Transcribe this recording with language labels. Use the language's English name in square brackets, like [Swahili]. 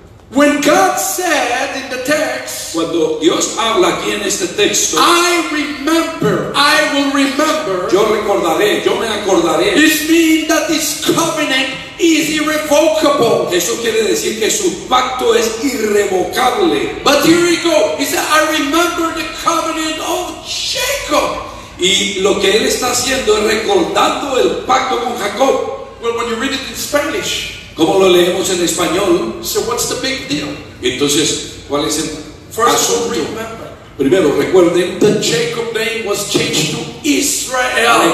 [English] When God said in the text, [Spanish] cuando Dios habla aquí en este texto, [English] I remember, I will remember, [Spanish] yo recordaré, yo me acordaré, [English] this means that this covenant is irrevocable. [Spanish] Eso quiere decir que su pacto es irrevocable. [English] But here we go. He said, I remember the covenant of Jacob. [Spanish] Y lo que él está haciendo es recordando el pacto con Jacob. [English] Well, when you read it in Spanish, [Spanish] ¿cómo lo leemos en español? [English] So what's the big deal? [Spanish] Entonces, ¿cuál es el [English] first [Spanish] asunto? [English] Remember, [Spanish] primero, recuerden, [English] the Jacob name was changed to Israel.